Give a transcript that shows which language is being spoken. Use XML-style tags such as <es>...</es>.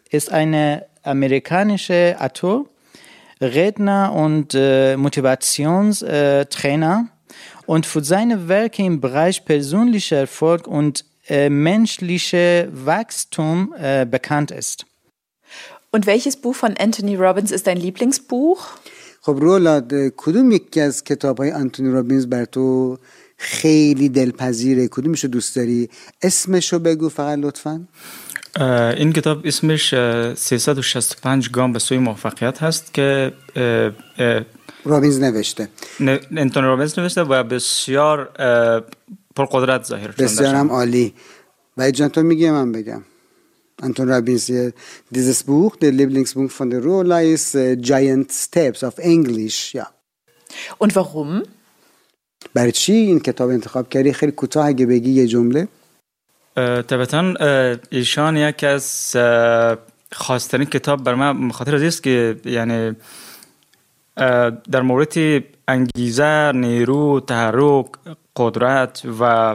<de>Ist ein amerikanischer Autor, Redner und Motivationstrainer. Und für seine Werke im Bereich persönlicher Erfolg und menschliche Wachstum bekannt ist. Und welches Buch von Anthony Robbins ist dein Lieblingsbuch?</de> <fa>خب رولاد، کدوم یکی از کتاب های آنتونی رابینز بر تو خیلی دلپذیره؟ کدومشو دوست داری؟ اسمشو بگو فقط لطفاً. این کتاب اسمش 365 گام به سوی موفقیت هست که رابینز نوشته. آنتونی رابینز نوشته و بسیار پرقدرت ظاهر شده. بسیار هم عالی. و ایجان تو میگی من بگم؟</fa> <de>Anton Robbins, dieses Buch, der Lieblingsbuch von der Rola, ist Giant Steps auf Englisch, ja. Und warum?</de> <fa>برای چی این کتاب انتخاب کردی؟ خیلی کوتاه اگه بگی یه جمله. طبعاً ایشان یک از خاص‌ترین کتاب برام خاطر است که یعنی در مورد انگیزه، نیرو، تحرک، قدرت و</fa>